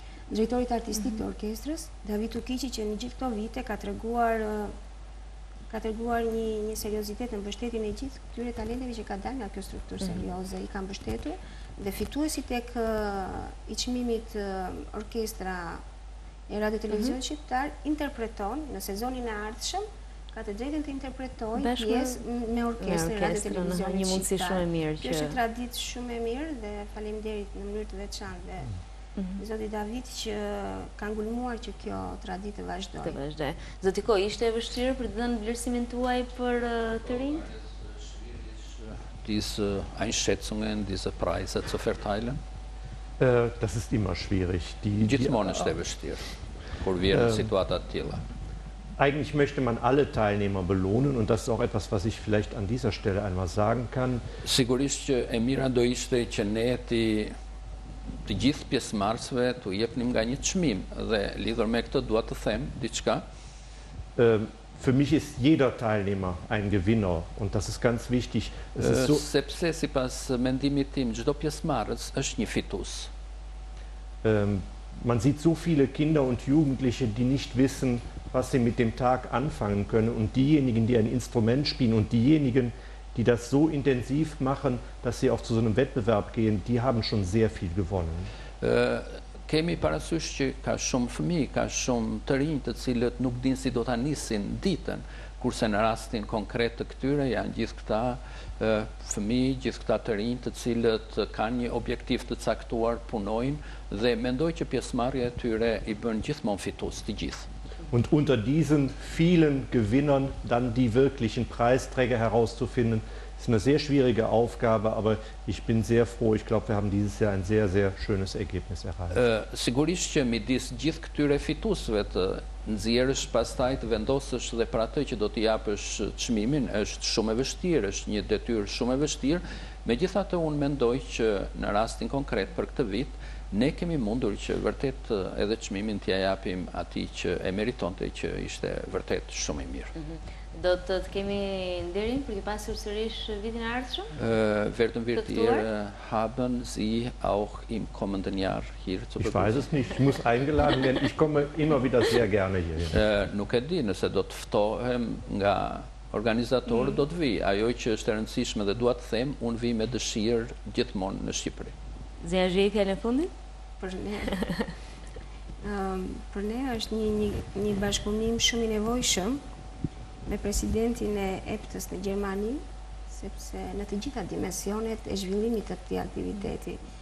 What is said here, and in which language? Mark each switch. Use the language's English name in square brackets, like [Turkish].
[Albanian] drejtorit artistik të orkestrës, David Tukiqi, që në gjithë këto vite ka treguar një seriozitet në mbështetjen e gjithë këtyre talenteve që ka dalë nga kjo strukturë serioze, i kanë mbështetur dhe fituesi tek i çmimit orkestra e radio televizion shqiptar interpreton në sezonin e ardhshëm, ka të drejtën të interpretoj pjesë me orkestrën e radio televizionit. Një mundësi shumë e mirë që është traditë shumë e mirë dhe faleminderit në mënyrë të veçantë dhe zoti David që ka ngulmuar që kjo traditë të vazhdojë. Zoti Koj, ishte e vështirë për të dhënë vlerësimin tuaj për të rinjt? [German] Diese Einschätzungen, diese Preise zu verteilen. Das ist immer schwierig. [Albanian] Gjithmonë është e vështirë, kur vjen situata të tilla. [German] Eigentlich möchte man alle Teilnehmer belohnen und das ist auch etwas, was ich vielleicht an dieser Stelle einmal sagen kann. [Albanian] Sigurisht që e mira do ishte që ne të gjithë pjesëmarrësve t'u jepnim nga një çmim dhe lidhur me këtë dua të them diçka. [German] Für mich ist jeder Teilnehmer ein Gewinner und das ist ganz wichtig. [Albanian] Sepse sipas mendimit tim çdo pjesëmarrës është një fitus. [German] Man sieht so viele Kinder und Jugendliche, die nicht wissen, was sie mit dem Tag anfangen können und diejenigen, die ein Instrument spielen und diejenigen, die das so intensiv machen, dass sie auch zu so einem Wettbewerb gehen, die haben schon sehr viel gewonnen. [Albanian] Kemi parasysh që ka shumë fëmijë, ka shumë të rinj të cilët nuk dinë si do ta nisin ditën, kurse në rastin konkret të këtyre janë gjithë këta fëmijë, gjithë këta të rinj të cilët kanë një objektiv të caktuar, punojnë dhe mendoj që pjesëmarrja e tyre i bën gjithmonë fitues të gjithë. [German] Und unter diesen vielen Gewinnern dann die wirklichen Preisträger herauszufinden, ist eine sehr schwierige Aufgabe, aber ich bin sehr froh. Ich glaube, wir haben dieses Jahr ein sehr, sehr schönes Ergebnis erreicht. [Albanian] Sigurisht që midis gjithë këtyre fituesve të nxjerrësh pastaj të vendosësh dhe për atë që do të japësh çmimin, është shumë e vështirë, është një detyrë shumë e vështirë. Megjithatë, unë mendoj që në rastin konkret për këtë vit, ne kemi mundur që vërtet edhe çmimin t'ja japim atij që e meritonte, që ishte vërtet shumë i mirë. Do të të kemi nderin për të pasur sërish vitin e ardhshëm? [German] Werden wir dir haben Sie auch im kommenden Jahr hier zu begrüßen? Ich weiß es nicht, ich muss eingeladen werden. Ich komme immer wieder sehr gerne hier. [Albanian] Nuk e di, nëse do të ftohem nga organizatorët, do të vi. Ajo që është e rëndësishme dhe dua të them, unë vi me dëshirë gjithmonë në Shqipëri. Zeja Zhej, fjallën fundin? Për ne është një bashkëpunim shumë i nevojshëm me presidentin e EPTS në Gjermani, sepse në të gjitha dimensionet e zhvillimit të këtij aktiviteti.